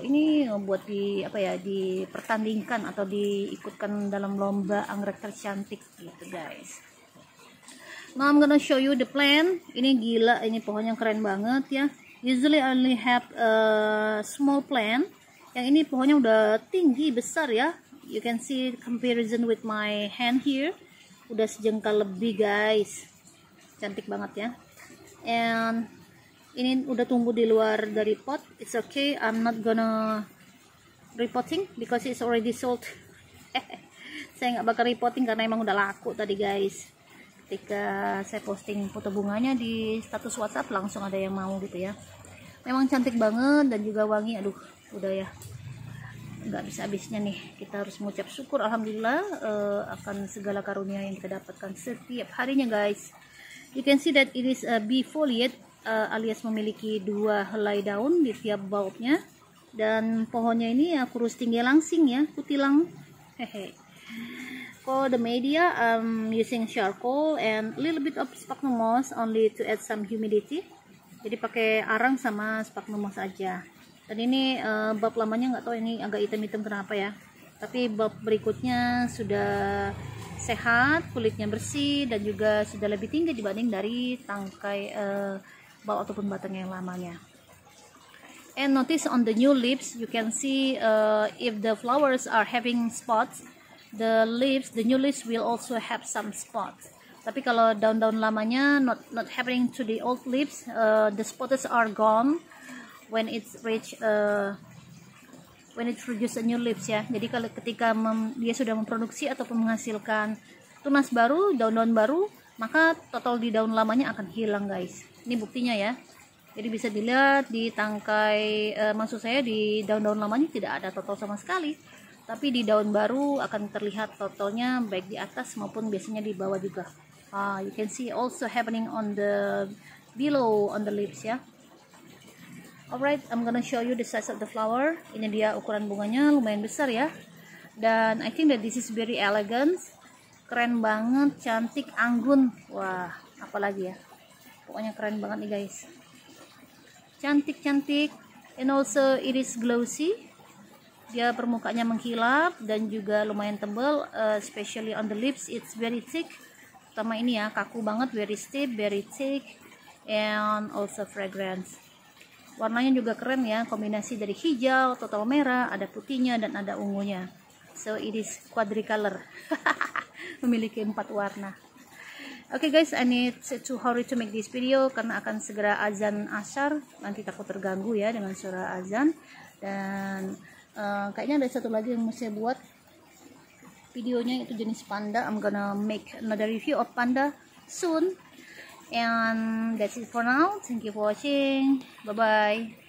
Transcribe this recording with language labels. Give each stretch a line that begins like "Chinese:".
Indonesian: Ini buat di apa ya, dipertandingkan atau diikutkan dalam lomba anggrek tercantik gitu, guys.
English: Now I'm gonna show you the plant.
Indonesian: Ini gila, ini pohonnya keren banget ya.
English: Usually I only have a small plant.
Indonesian: Yang ini pohonnya udah tinggi, besar ya.
English: You can see comparison with my hand here.
Indonesian: Udah sejengkal lebih, guys. Cantik banget ya. And ini udah tumbuh di luar dari pot.
English: It's okay, I'm not gonna repotting because it's already sold.
Indonesian: Saya gak bakal repotting karena emang udah laku tadi, guys. Ketika saya posting foto bunganya di status WhatsApp, langsung ada yang mau gitu ya. Memang cantik banget dan juga wangi. Aduh, udah ya, gak bisa habisnya nih. Kita harus mengucap syukur alhamdulillah akan segala karunia yang kita dapatkan setiap harinya, guys.
English: You can see that it is a bifoliate,
Indonesian: alias memiliki dua helai daun di tiap bulbnya. Dan pohonnya ini ya kurus tinggi langsing ya, kutilang. Hehe.
English: For the media, I'm using charcoal and a little bit of sphagnum moss only to add some humidity.
Indonesian: Jadi pakai arang sama sphagnum moss aja. Dan ini bulb lamanya nggak tahu ini agak hitam-hitam kenapa ya. Tapi bulb berikutnya sudah sehat, kulitnya bersih dan juga sudah lebih tinggi dibanding dari tangkai bulb ataupun batang yang lamanya.
English: And notice on the new leaves, you can see if the flowers are having spots. The leaves, the new leaves will also have some spots.
Indonesian: Tapi kalau daun-daun lamanya
English: not happening to the old leaves, the spots are gone when it reach when it produce a new leaves ya.
Indonesian: Jadi kalau ketika dia sudah memproduksi ataupun menghasilkan tunas baru, daun-daun baru, maka total di daun lamanya akan hilang, guys. Ini buktinya ya. Jadi bisa dilihat di tangkai, maksud saya di daun-daun lamanya tidak ada total sama sekali. Tapi di daun baru akan terlihat totalnya, baik di atas maupun biasanya di bawah juga.
English: You can see also happening on the below on the leaves ya. Alright, I'm gonna show you the size of the flower.
Indonesian: Ini dia ukuran bunganya, lumayan besar ya.
English: Dan I think that this is very elegant.
Indonesian: Keren banget, cantik, anggun. Wah, apalagi ya. Pokoknya keren banget nih guys. Cantik-cantik.
English: And also it is glossy.
Indonesian: Dia permukaannya mengkilap dan juga lumayan tebal,
English: especially on the lips it's very thick.
Indonesian: Pertama ini ya, kaku banget,
English: very stiff, very thick and also fragrance.
Indonesian: Warnanya juga keren ya, kombinasi dari hijau, total merah, ada putihnya dan ada ungunya.
English: So it is quadricolor.
Indonesian: Memiliki 4 warna.
English: Okay guys, I need to hurry to make this video
Indonesian: karena akan segera azan asar. Nanti takut terganggu ya dengan suara azan. Dan kayaknya ada satu lagi yang mau saya buat videonya, itu jenis panda.
English: I'm gonna make another review of panda soon. And that's it for now. Thank you for watching. Bye-bye.